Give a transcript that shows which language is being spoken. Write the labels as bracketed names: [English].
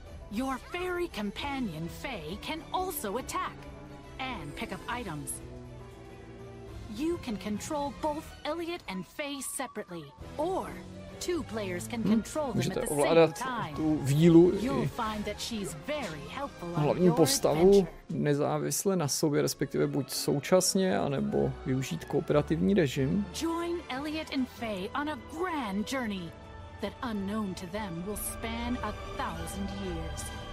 [English] Your fairy companion, Faye, can also attack and pick up items. You can control both Elliot and Faye separately, or two players can control them at the same time. You'll find that she's very helpful on [Czech] hlavní postavu nezávisle na sobě, respektive buď současně, anebo využít kooperativní režim. [English] Join Elliot and Faye on a grand journey that unknown to them will span a thousand years.